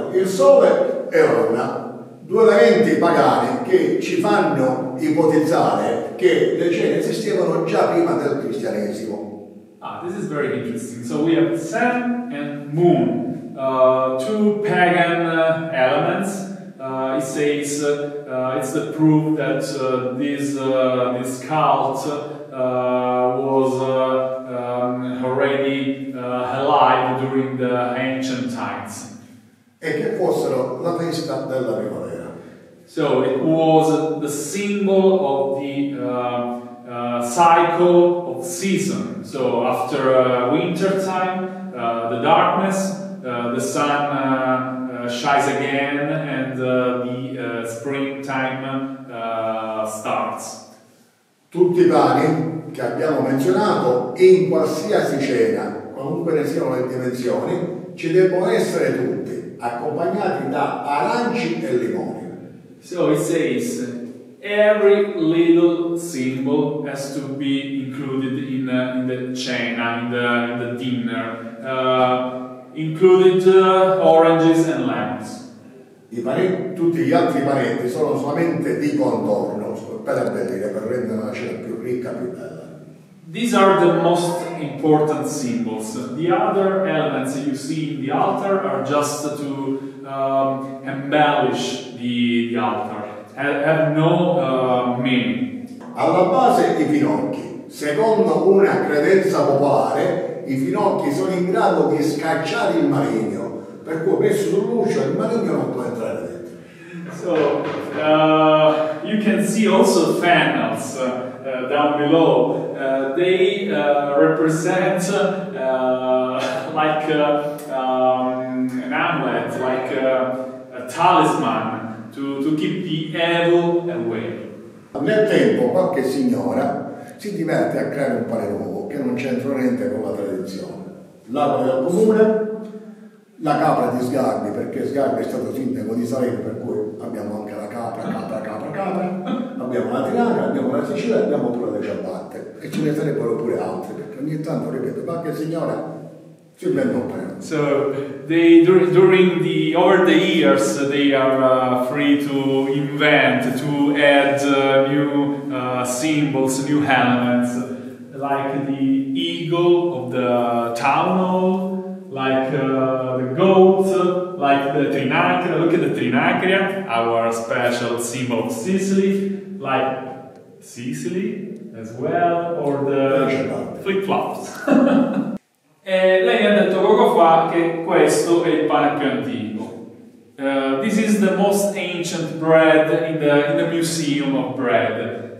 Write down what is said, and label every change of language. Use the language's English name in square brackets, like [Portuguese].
[Italian] Il sole e l'onna, due eventi pagani che ci fanno ipotizzare che le cene esistevano già prima del cristianesimo. [English] Ah, this is very interesting. So we have sun and moon, two pagan elements. It says it's the proof that this cult was already alive during the ancient times. [Italian] E che fossero la festa della primavera. [English] So it was the symbol of the cycle of season. So after winter time, the darkness, the sun shines again, and the springtime starts. [Italian] Tutti i pani che abbiamo menzionato, in qualsiasi cena, qualunque ne siano le dimensioni, ci devono essere tutti, accompagnati da aranci e limoni. [English] So it says, every little symbol has to be included in the cena, in the dinner, included oranges and lemons. [Italian] tutti gli altri panetti sono solamente di contorno, per abbellire, per rendere la cena più ricca, più bella. [English] These are the most important symbols. The other elements you see in the altar are just to embellish the altar. Have no meaning. [Italian] Alla base i finocchi. Secondo una credenza popolare, i finocchi sono in grado di scacciare il maligno. Per cui messo su luce, il maligno non può entrare dentro. [English] So, you can see also fennels down below. They represent an amulet, like a talisman to keep the evil away. [Italian] Nel tempo qualche signora si diverte a creare un pane nuovo che non c'entra niente con la tradizione. L'acqua del comune, la capra di Sgarbi, perché Sgarbi è stato sindaco di Salerno, per cui abbiamo anche la capra, abbiamo la tirana, abbiamo la Sicilia, abbiamo pure le ciabatte, e ce ne sarebbero pure altre, perché ogni tanto, ripeto, qualche signora ci vende un pane. [English] So they during the over the years they are free to invent, to add new symbols, new elements, like the eagle of the town hall, like the goat, like the trinacria. Look at the trinacria, our special symbol of Sicily, like Sicily as well, or the flip-flops. [Italian] E lei ha detto poco fa che questo è il pane più antico. [English] This is the most ancient bread in the museum of bread.